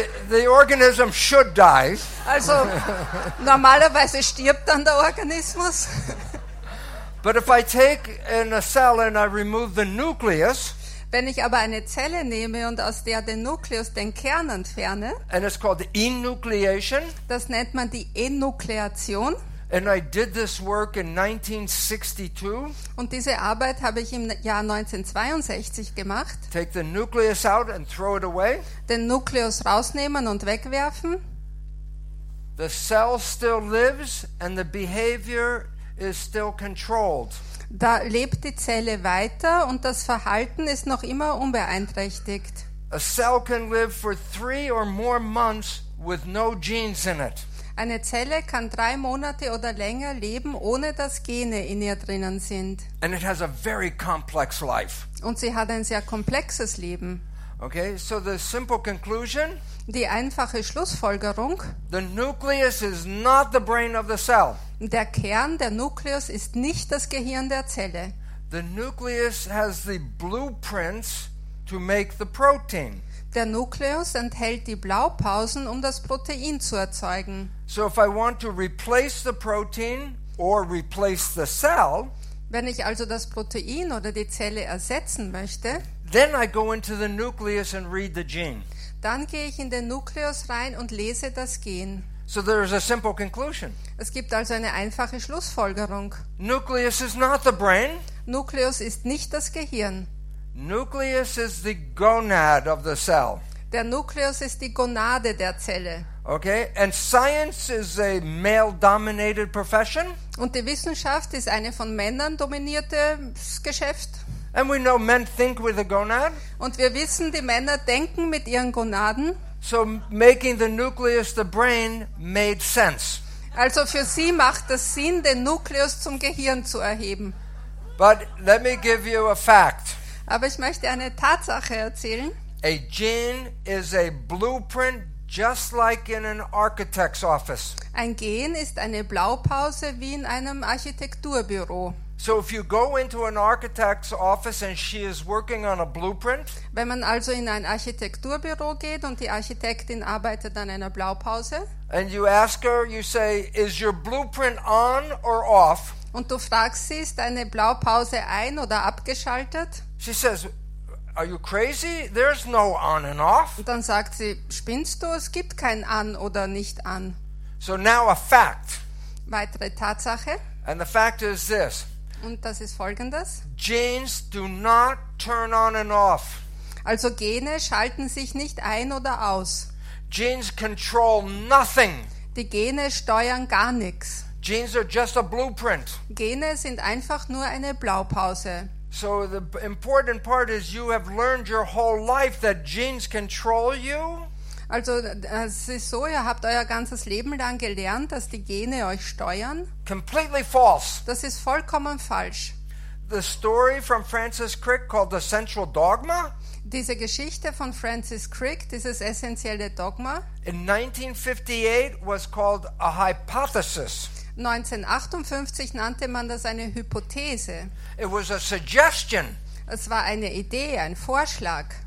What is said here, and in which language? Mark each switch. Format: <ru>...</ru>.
<en>The organism should die.</en> <de>Also normalerweise stirbt dann der Organismus.</de> <en>But if I take in a cell and I remove the nucleus,</en> <de>wenn ich aber eine Zelle nehme und aus der den Nukleus, den Kern entferne,</de> <en>and it's called enucleation,</en> <de>das nennt man die Enukleation.</de> <en>And I did this work in 1962.</en> <de>Und diese Arbeit habe ich im Jahr 1962 gemacht.</de> <en>Take the nucleus out and throw it away.</en> <de>Den Nukleus rausnehmen und wegwerfen.</de> <en>The cell still lives and the behavior is still controlled.</en> <de>Da lebt die Zelle weiter und das Verhalten ist noch immer unbeeinträchtigt.</de> <en>A cell can live for 3 or more months with no genes in it.</en> <de>Eine Zelle kann 3 Monate oder länger leben, ohne dass Gene in ihr drinnen sind.</de> <en>And it has a very complex life.</en> <de>Und sie hat ein sehr komplexes Leben.</de> <en>Okay, so the simple conclusion,</en> <de>die einfache Schlussfolgerung,</de> <en>the nucleus is not the brain of the cell.</en> <de>Der Kern, der Nukleus, ist nicht das Gehirn der Zelle.</de> <en>The nucleus has the blueprints to make the protein.</en> <de>Der Nukleus enthält die Blaupausen, um das Protein zu erzeugen.</de> <en>So if I want to replace the protein or replace the cell,</en> <de>wenn ich also das Protein oder die Zelle ersetzen möchte,</de> <en>then I go into the nucleus and read the gene.</en> <de>Dann gehe ich in den Nukleus rein und lese das Gen.</de> <en>So there is a simple conclusion.</en> <de>Es gibt also eine einfache Schlussfolgerung.</de> <en>Nucleus is not the brain.</en> <de>Nukleus ist nicht das Gehirn.</de> <en>Nucleus is the gonad of the cell.</en> <de>Der Nukleus ist die Gonade der Zelle.</de> <en>Okay, and science is a male-dominated profession.</en> <de>Und die Wissenschaft ist eine von Männern dominierte Geschäft.</de> <en>And we know men think with a gonad.</en> <de>Und wir wissen, die Männer denken mit ihren Gonaden.</de> <en>So making the nucleus the brain made sense.</en> <de>Also für sie macht es Sinn, den Nukleus zum Gehirn zu erheben.</de> <en>But let me give you a fact.</en> <de>Aber ich möchte eine Tatsache erzählen.</de> <en>A gene is a blueprint just like in an architect's office.</en> <de>Ein Gen ist eine Blaupause wie in einem Architekturbüro.</de> <en>So if you go into an architect's office and she is working on a blueprint,</en> <de>wenn man also in ein Architekturbüro geht und die Architektin arbeitet an einer Blaupause,</de> <en>and you ask her, you say, is your blueprint on or off?</en> <de>Und du fragst sie, ist deine Blaupause ein oder abgeschaltet?</de> <en>She says, are you crazy? There's no on and off.</en> <de>Und dann sagt sie, spinnst du? Es gibt kein an oder nicht an.</de> <en>So now a fact.</en> <de>Weitere Tatsache.</de> <en>And the fact is this.</en> <de>Und das ist folgendes.</de> <en>Genes do not turn on and off.</en> <de>Also Gene schalten sich nicht ein oder aus.</de> <en>Genes control nothing.</en> <de>Die Gene steuern gar nichts.</de> <en>Genes are just a blueprint.</en> <de>Gene sind einfach nur eine Blaupause.</de> <en>So the important part is you have learned your whole life that genes control you.</en> <de>Also es ist so, ihr habt euer ganzes Leben lang gelernt, dass die Gene euch steuern.</de> <en>Completely false.</en> <de>Das ist vollkommen falsch.</de> <en>The story from Francis Crick called The Central Dogma.</en> <de>Diese Geschichte von Francis Crick, dieses essentielle Dogma.</de> <en>In 1958 was called a hypothesis.</en> <de>1958 nannte man das eine Hypothese.</de> <en>It was a suggestion.</en> <de>Es war eine Idee, ein Vorschlag.</de>